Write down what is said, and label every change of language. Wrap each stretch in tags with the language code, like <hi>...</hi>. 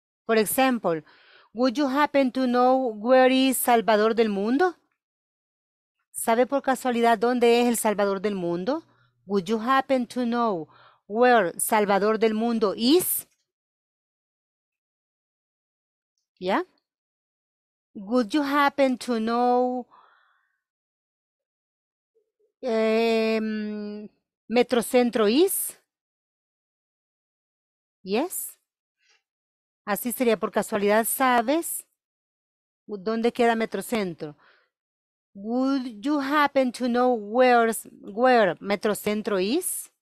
<en>For example, would you happen to know where is Salvador del Mundo?</en> <es>¿Sabe por casualidad dónde es el Salvador del Mundo?</es> <en>Would you happen to know where Salvador del Mundo is? ¿Ya? Would you happen to know Metrocentro is? Yes.</en> <es>Así sería, por casualidad, ¿sabes dónde queda Metrocentro?</es> <en>Would you happen to know where Metrocentro is?</en>